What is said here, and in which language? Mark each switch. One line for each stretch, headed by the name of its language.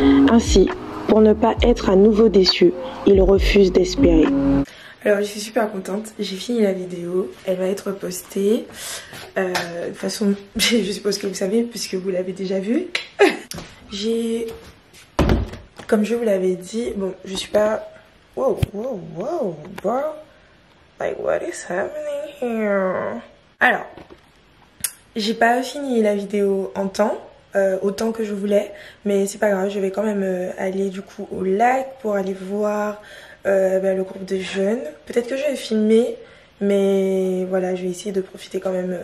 French: Ainsi, pour ne pas être à nouveau déçu, il refuse d'espérer. Alors je suis super contente, j'ai fini la vidéo, elle va être postée. De toute façon, je suppose que vous savez puisque vous l'avez déjà vue. Comme je vous l'avais dit, bon, je suis pas...
English: Wow, bro. Like, what is happening here?
French: Alors, j'ai pas fini la vidéo en temps, autant que je voulais. Mais c'est pas grave, je vais quand même aller du coup au lac pour aller voir le groupe de jeunes. Peut-être que je vais filmer, mais voilà, je vais essayer de profiter quand même.